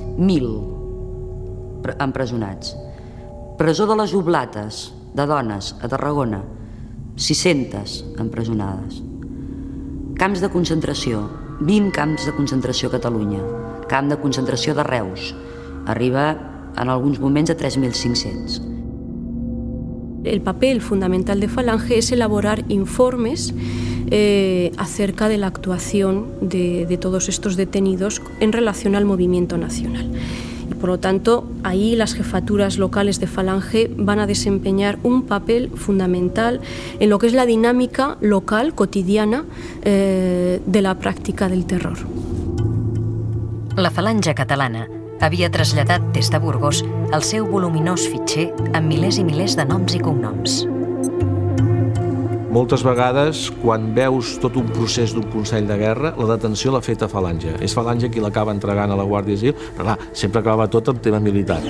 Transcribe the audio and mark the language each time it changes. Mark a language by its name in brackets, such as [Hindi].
[Catalan] 1.000 empresonats. Presó de les Oblates, de dones, a Tarragona. 600 empresonades. Camps de concentració. 20 camps de concentració a Catalunya. Camp de concentració de Reus. Arriba, en alguns moments, a 3.500. [Spanish] El papel fundamental de Falange es elaborar informes acerca de la actuación de todos estos detenidos en relación al movimiento nacional. Y por lo tanto, ahí las jefaturas locales de Falange van a desempeñar un papel fundamental en lo que es la dinámica local, cotidiana, de la práctica del terror. [Catalan] La Falange catalana havia traslladat des de Burgos el seu voluminós fitxer amb milers i milers de noms i cognoms. Moltes vegades, quan veus tot un procés d'un Consell de Guerra, la detenció l'ha feta Falange. És Falange qui l'acaba entregant a la Guàrdia Civil, però clar, sempre acabava tot el tema militar.